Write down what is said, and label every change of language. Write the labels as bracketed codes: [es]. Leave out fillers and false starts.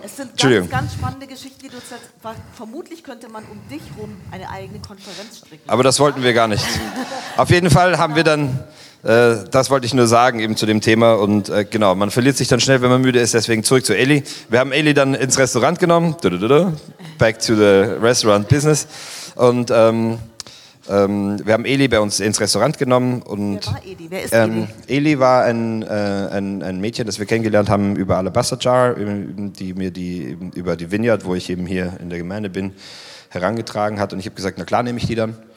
[de] Es sind ganz, ganz spannende Geschichten, die du erzählst. Vermutlich könnte man um dich rum eine eigene Konferenz stricken. Aber das wollten wir gar nicht. Auf jeden Fall haben wir dann, das wollte ich nur sagen eben zu dem Thema. Und genau, man verliert sich dann schnell, wenn man müde ist. Deswegen zurück zu Eli. Wir haben Eli dann ins Restaurant genommen. [en] Back to the restaurant business. [de] Und wir haben Eli bei uns ins Restaurant genommen. Und wer war Eli? Wer ist Eli? Eli war ein Mädchen, das wir kennengelernt haben über Alabaster Jar, über die Vineyard, wo ich eben hier in der Gemeinde bin, herangetragen hat. Und ich habe gesagt, na klar, nehme ich die dann.